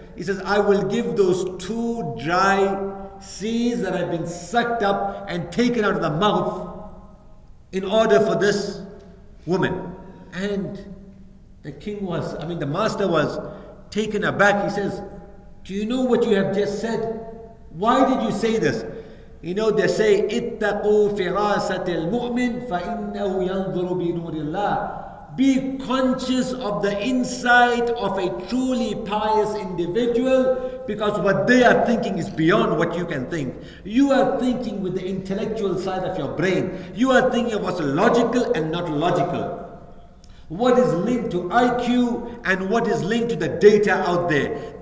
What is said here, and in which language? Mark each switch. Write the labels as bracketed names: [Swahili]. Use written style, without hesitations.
[English] He says, I will give those 2 dry seeds that have been sucked up and taken out of the mouth in order for this woman. And the master was taken aback. He says, do you know what you have just said? Why did you say this? You know, they say, [Arabic] اِتَّقُوا فِرَاسَةِ الْمُؤْمِنِ فَإِنَّهُ يَنْظُرُ بِنُورِ اللَّهِ. [English] Be conscious of the insight of a truly pious individual because what they are thinking is beyond what you can think. You are thinking with the intellectual side of your brain. You are thinking of what's logical and not logical. What is linked to IQ and what is linked to the data out there.